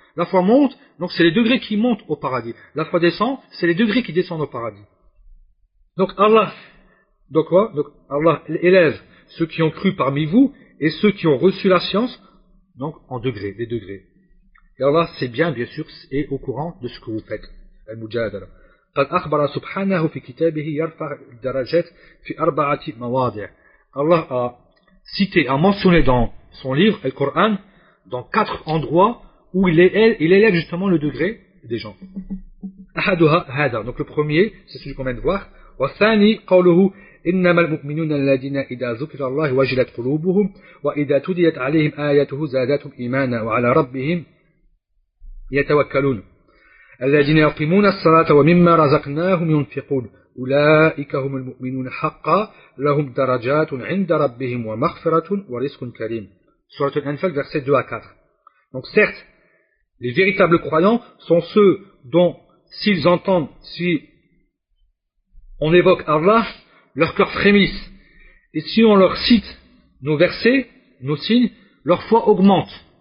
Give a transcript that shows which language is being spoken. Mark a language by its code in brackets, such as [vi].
[fr] La foi monte, donc c'est les degrés qui montent au paradis. La foi descend, c'est les degrés qui descendent au paradis. Donc Allah, donc quoi? Donc Allah élève ceux qui ont cru parmi vous et ceux qui ont reçu la science, donc en degrés, des degrés. Et Allah sait bien sûr, est au courant de ce que vous faites. Al-Mujadala. [ar] قد أخبر سبحانه في كتابه يرفع الدرجات في أربعة مواضع. [fr] Allah a cité, a mentionné dans son livre, le Coran, dans quatre endroits où il élève justement le degré des gens. [ar] أحدها هذا. [fr] Donc le premier, c'est celui qu'on vient de voir. [ar] والثاني قوله إنما المؤمنون الذين إذا ذكر الله وجلت قلوبهم وإذا تليت عليهم آياته زادتهم إيمانا وعلى ربهم يتوكلون. الذين يقيمون الصلاة ومما رزقناهم ينفقون أولئك هم المؤمنون حقا لهم درجات عند ربهم ومغفرة ورزق كريم. [fr] سورة الأنفال verset 2 à 4. Donc certes, les véritables croyants sont ceux dont s'ils entendent, si on évoque Allah, leur cœur frémisse. Et si on leur cite nos versets, nos signes, leur foi augmente.